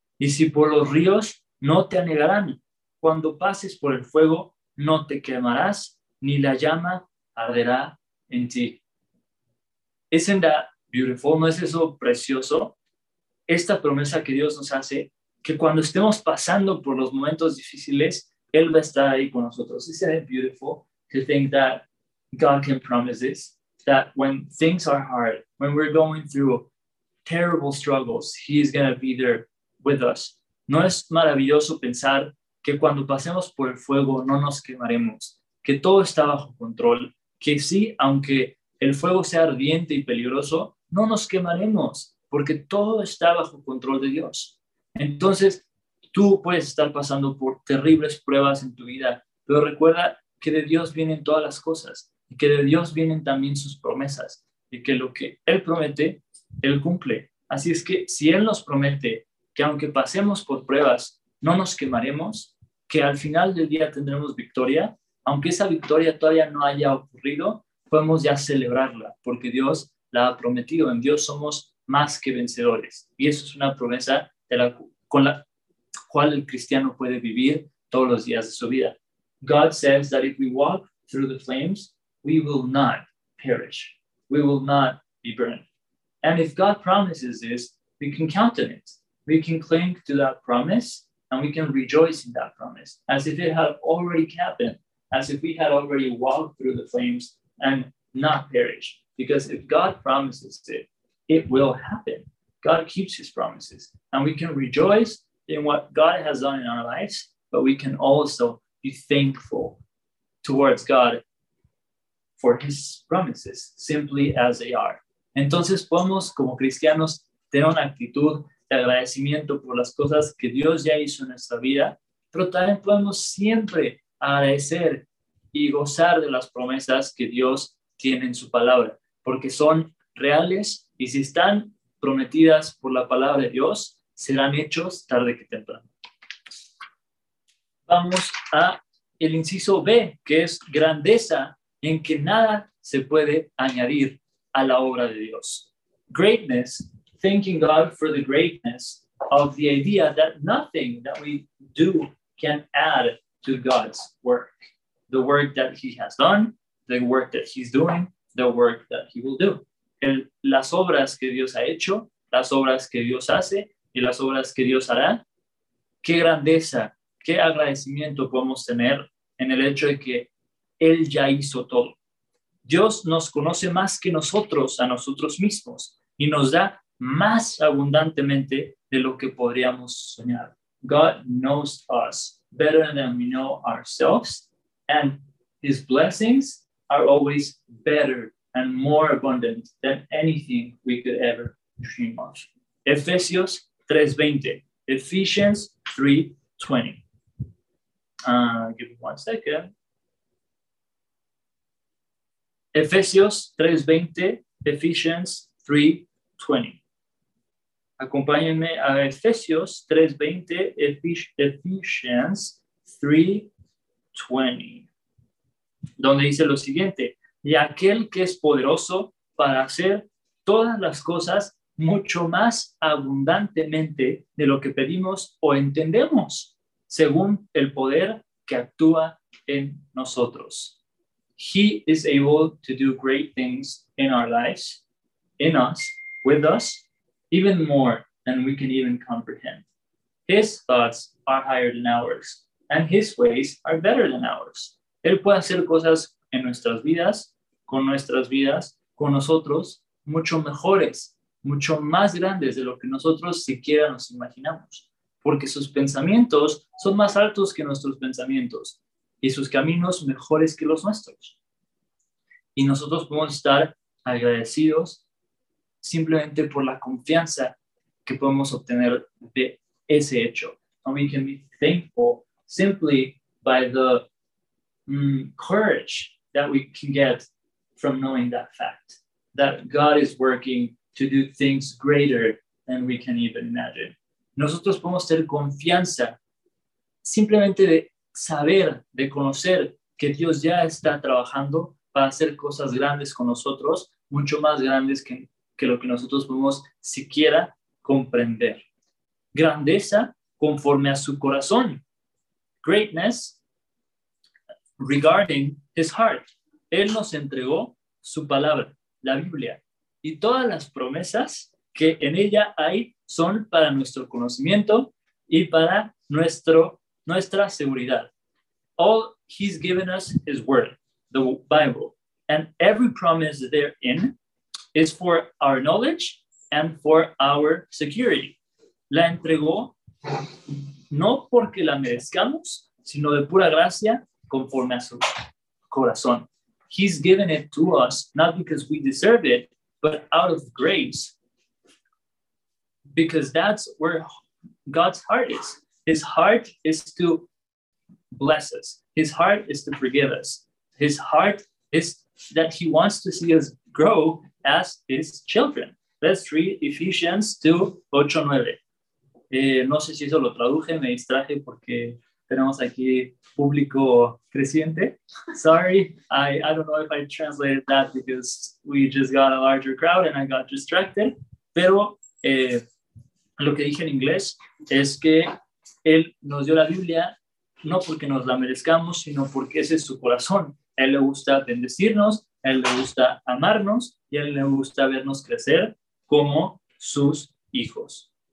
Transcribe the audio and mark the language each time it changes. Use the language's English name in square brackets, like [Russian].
[Spanish] Y si por los ríos, no te anegarán. Cuando pases por el fuego, no te quemarás, ni la llama arderá en ti. [English] Isn't that beautiful? [Spanish] ¿No es eso precioso? Esta promesa que Dios nos hace, que cuando estemos pasando por los momentos difíciles, Él va a estar ahí con nosotros. [English] Isn't that beautiful to think that God can promise this? That when things are hard, when we're going through terrible struggles, He is going to be there with us. [Spanish] ¿No es maravilloso pensar que cuando pasemos por el fuego no nos quemaremos, que todo está bajo control, que sí, aunque el fuego sea ardiente y peligroso, no nos quemaremos, porque todo está bajo control de Dios. Entonces, tú puedes estar pasando por terribles pruebas en tu vida, pero recuerda que de Dios vienen todas las cosas, y que de Dios vienen también sus promesas, y que lo que Él promete, Él cumple. Así es que si Él nos promete que aunque pasemos por pruebas, no nos quemaremos, que al final del día tendremos victoria, aunque esa victoria todavía no haya ocurrido, podemos ya celebrarla, porque Dios la ha prometido. En Dios somos más que vencedores. Y eso es una promesa de la, con la cual el cristiano puede vivir todos los días de su vida. [English] God says that if we walk through the flames, we will not perish. We will not be burned. And if God promises this, we can count on it. We can cling to that promise, and we can rejoice in that promise, as if it had already happened, as if we had already walked through the flames and not perish. Because if God promises it, it will happen. God keeps his promises, and we can rejoice in what God has done in our lives, but we can also be thankful towards God for his promises, simply as they are. [Spanish] Entonces podemos, como cristianos, tener una actitud de agradecimiento por las cosas que Dios ya hizo en nuestra vida, pero también podemos siempre agradecer y gozar de las promesas que Dios tiene en su palabra, porque son reales y si están prometidas por la palabra de Dios, serán hechos tarde que temprano. Vamos a el inciso B, que es grandeza, en que nada se puede añadir a la obra de Dios. [English] Greatness, thanking God for the greatness of the idea that nothing that we do can add to God's work. The work that he has done, the work that he's doing, the work that he will do. [Spanish] Las obras que Dios ha hecho, las obras que Dios hace y las obras que Dios hará. Qué grandeza, qué agradecimiento podemos tener en el hecho de que Él ya hizo todo. Dios nos conoce más que nosotros a nosotros mismos y nos da más abundantemente de lo que podríamos soñar. [English] God knows us better than we know ourselves, and his blessings are always better and more abundant than anything we could ever dream of. Ephesians 3:20. Ephesians 3:20. Give me one second. [Spanish] Efesios 3:20, Ephesians 3:20. Acompáñenme a Efesios 3:20, Ephesians 3:20, donde dice lo siguiente: y aquel que es poderoso para hacer todas las cosas mucho más abundantemente de lo que pedimos o entendemos, según el poder que actúa en nosotros. [English] He is able to do great things in our lives, in us, with us, even more than we can even comprehend. His thoughts are higher than ours, and his ways are better than ours. [Spanish] Él puede hacer cosas en nuestras vidas, con nosotros, mucho mejores, mucho más grandes de lo que nosotros siquiera nos imaginamos, porque sus pensamientos son más altos que nuestros pensamientos, y sus caminos mejores que los nuestros. Y nosotros podemos estar agradecidos simplemente por la confianza que podemos obtener de ese hecho. [English] And we can be thankful simply by the courage that we can get from knowing that fact, that God is working to do things greater than we can even imagine. [Spanish] Nosotros podemos tener confianza simplemente de saber, de conocer que Dios ya está trabajando para hacer cosas grandes con nosotros, mucho más grandes que lo que nosotros podemos siquiera comprender. Grandeza conforme a su corazón. [English] Greatness regarding his heart. [Spanish] Él nos entregó su palabra, la Biblia, y todas las promesas que en ella hay son para nuestro conocimiento y para nuestra seguridad. [English] All he's given us his word, the Bible, and every promise therein is for our knowledge and for our security. [Spanish] La entregó no porque la merezcamos, sino de pura gracia, conforme a su corazón. [English] He's given it to us not because we deserve it, but out of grace. Because that's where God's heart is. His heart is to bless us. His heart is to forgive us. His heart is that he wants to see us grow as his children. Let's read Ephesians 2:8-9. [Spanish] No sé si eso lo traduje, me distraje porque tenemos aquí público creciente. [English] Sorry, I don't know if I translated that because we just got a larger crowd and I got distracted. [Spanish] Pero lo que dije en inglés es que él nos dio la Biblia no porque nos la merezcamos, sino porque ese es su corazón. A él le gusta bendecirnos, a él le gusta amarnos y a él le gusta vernos crecer como sus hijos.